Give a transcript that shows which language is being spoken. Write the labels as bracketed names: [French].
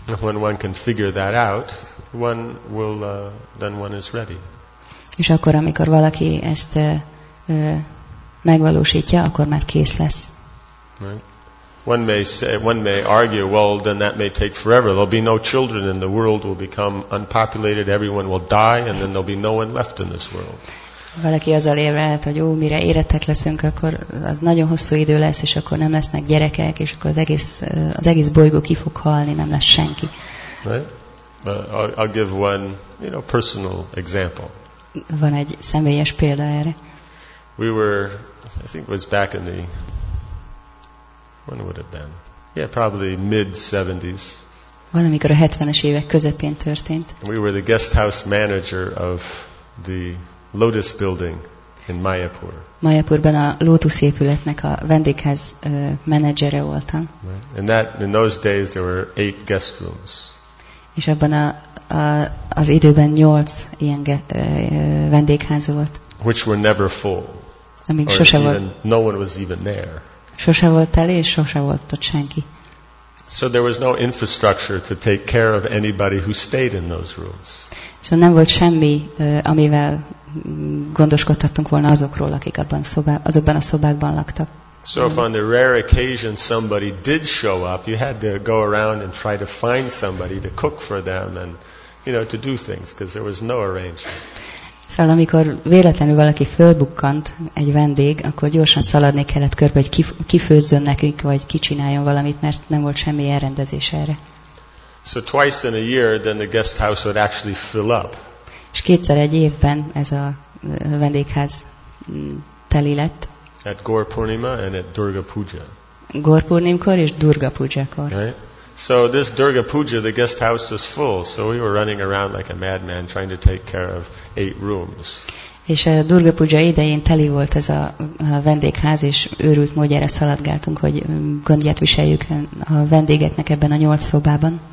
[English] When one can figure that out, one will then one is ready. [Hungarian] És akkor, amikor valaki ezt megvalósítja, akkor már kész lesz. [English] Right. One may argue, well, then that may take forever. There'll be no children, and the world will become unpopulated. Everyone will die, and then there'll be no one left in this world. [Hungarian] Valaki azzal érvelhet, hogy mire érettek leszünk, akkor az nagyon hosszú idő lesz, és akkor nem lesznek gyerekek, és akkor az egész bolygó ki fog halni, nem lesz senki. [English] Right. I'll give one, you know, personal example. [Hungarian] Van egy személyes példa erre. [English] We were, I think it was back in the, when would it have been? Yeah, probably mid-70s. [Hungarian] Valamikor a 70-es évek közepén történt. [English] We were the guest house manager of the Lotus building in Mayapur. [Hungarian] Mayapurban a Lotus épületnek a vendégház menedzsere voltam. [English] Right. In those days there were 8 guest rooms. [Hungarian] És abban az időben 8 ilyen vendégház volt. [English] Which were never full. [Hungarian] Amíg sose volt. [English] No one was even there. [Hungarian] Sose volt tele, és sose volt ott senki. [English] So there was no infrastructure to take care of anybody who stayed in those rooms. [Hungarian] Szóval nem volt semmi, amivel gondoskodhattunk volna azokról, akik abban azokban a szobákban laktak. [English] So if on the rare occasion somebody did show up, you had to go around and try to find somebody to cook for them and, you know, to do things, because there was no arrangement. [Hungarian] Szóval amikor véletlenül valaki fölbukkant, egy vendég, akkor gyorsan szaladni kellett körbe, hogy kifőzzön nekünk, vagy kicsináljon valamit, mert nem volt semmi elrendezés erre. [English] So twice in a year, then the guest house would actually fill up. [Hungarian] És kétszer egy évben ez a vendégház teli lett. [English] At Gaur Purnima and at Durga Puja. [Hungarian] Gaur Purnimkor és Durga Pujakor. [English] Right? So this Durga Puja, the guest house was full, so we were running around like a madman trying to take care of 8 rooms. [Hungarian] És a Durga Puja idején teli volt ez a vendégház, és őrült módjára szaladgáltunk, hogy gondját viseljük a vendégeknek ebben a 8 szobában.